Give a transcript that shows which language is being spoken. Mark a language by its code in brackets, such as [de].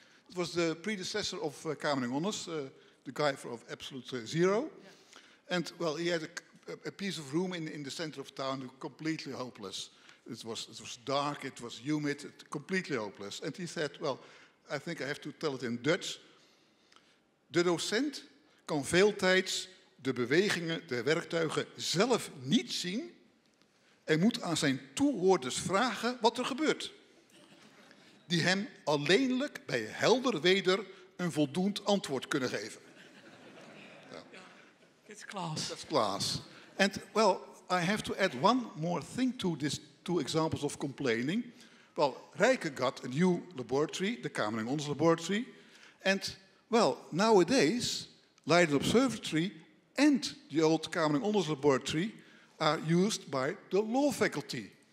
[en] It was the predecessor of Kamerling Onnes, the guy of Absolute Zero. Yeah. And, he had a piece of room in the center of town, completely hopeless. It was dark, it was humid, completely hopeless. And he said, I think I have to tell it in Dutch. [nl] De docent kan veeltijds de bewegingen der werktuigen zelf niet zien en moet aan zijn toehoorders vragen wat er gebeurt, die hem alleenlijk bij helder weder een voldoend antwoord kunnen geven. [en] It's class. That's class. And I have to add one more thing to these two examples of complaining. Rijke got a new laboratory, the Kamerling Onnes laboratory, and nowadays, Leiden Observatory and the old Kamerling Onnes Laboratory are used by the law faculty.